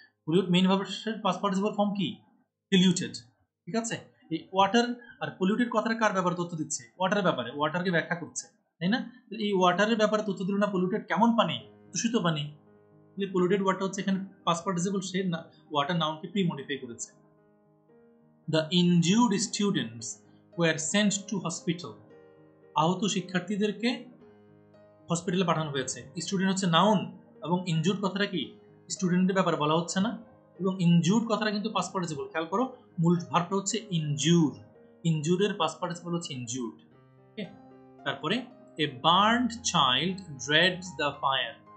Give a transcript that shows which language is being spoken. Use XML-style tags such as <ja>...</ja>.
<bn>Pollute main ভার্বের past participle form কি? Polluted, ঠিক আছে? এই ওয়াটার আর পলিউটেড কথাটা কার ব্যাপারে তথ্য দিচ্ছে? ওয়াটারের ব্যাপারে, ওয়াটারকে ব্যাখ্যা করছে, তাই না? এই ওয়াটারের ব্যাপারে তথ্য দিল না, পলিউটেড কেমন পানি? দূষিত পানি। পলিউটেড ওয়াটার হচ্ছে এখানে পাস্ট পার্টিসিপল, সে ওয়াটার নাউনকে প্রি মডিফাই করেছে।</bn> <en>The injured students were sent to hospital.</en> <bn>আহত শিক্ষার্থীদেরকে হসপিটালে পাঠানো হয়েছে। স্টুডেন্ট হচ্ছে নাউন এবং ইনজুর্ড কথাটা কি? স্টুডেন্টের ব্যাপারে বলা হচ্ছে না, এবং ইনজুর্ড কথাটা কিন্তু পাস্ট পার্টিসিপল। খেয়াল করো, মূল ভার্বটা হচ্ছে ইনজুর, ইনজুরের পাস্ট পার্টিসিপল হচ্ছে ইনজুর্ড।</bn> <en>okay,</en> <bn>তারপরে</bn> <en>A burned child dreads the fire.</en>